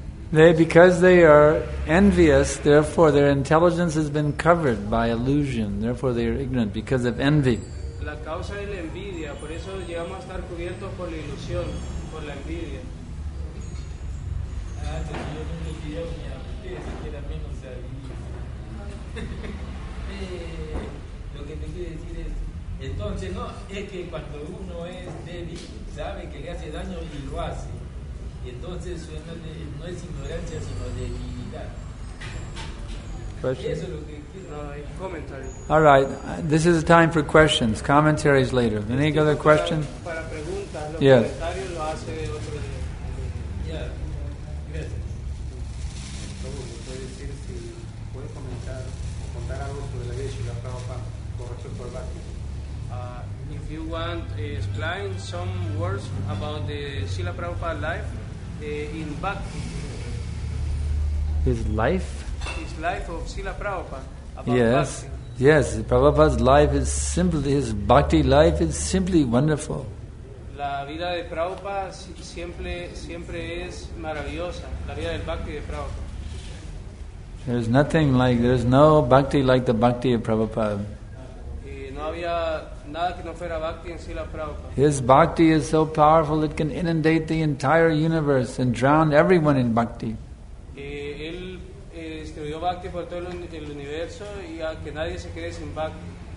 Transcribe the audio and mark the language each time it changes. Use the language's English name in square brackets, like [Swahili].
[English] Because they are envious, therefore their intelligence has been covered by illusion, therefore they are ignorant because of envy. [Spanish] La causa es la envidia, por eso llegamos a estar cubiertos por la ilusión, por la envidia. Ah, si yo tengo envidia, ni a ustedes siquiera menos se adivinan. Lo que te quiero decir es, entonces no, es que cuando uno es débil, sabe que le hace daño y lo hace. Entonces no es ignorancia sino debilidad. [English] Question. [Spanish] Eso es lo que quiero. Commentary. [English] All right, this is a time for questions. Commentaries later. Any other question? [Spanish] Para preguntas. [English] Yes. [Spanish] Comentario lo hace otro día. [English] Yeah. Gracias. [Spanish] ¿Puede decir si puede comentar o contar algo sobre la Yeshiva de Prabhupada con respecto por Bhakti? [English] If you want to explain some words about the Srila Prabhupada life. In Bhakti. His life? His life of Srila Prabhupada. Yes. Bhakti. Yes, Prabhupada's life is simply, his Bhakti life is simply wonderful. [Spanish] La vida de Prabhupada siempre es maravillosa. La vida del Bhakti de Prabhupada. [English] There's nothing like, there's no Bhakti like the Bhakti of Prabhupada. [Spanish] No había nada que no fuera bhakti en Srila Prabhupada. [English] His bhakti is so powerful it can inundate the entire universe and drown everyone in bhakti. [Spanish] Él distribuyó bhakti por todo el universo y a que nadie se quede sin bhakti.